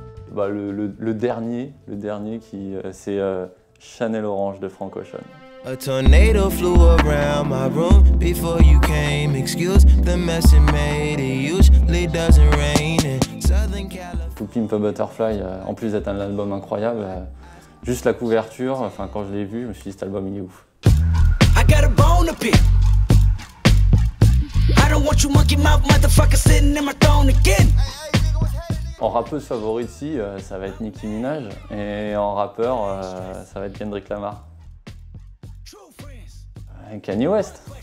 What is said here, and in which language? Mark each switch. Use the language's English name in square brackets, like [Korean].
[French] bah, le dernier qui c'est Chanel Orange de Frank Ocean. [English] A tornado flew around my room before you came. Excuse the mess it made. It usually doesn't rain in Southern California. [French] To Pimp a Butterfly, en plus d'être un album incroyable, juste la couverture, enfin quand je l'ai vu, je me suis dit cet album il est ouf. [English] I got a bone to pick. I don't want you monkey mouth motherfucker sitting in my throne again. [French] En rappeuse favorite ici, ça va être Nicki Minaj, et en rappeur, ça va être Kendrick Lamar. Kanye West.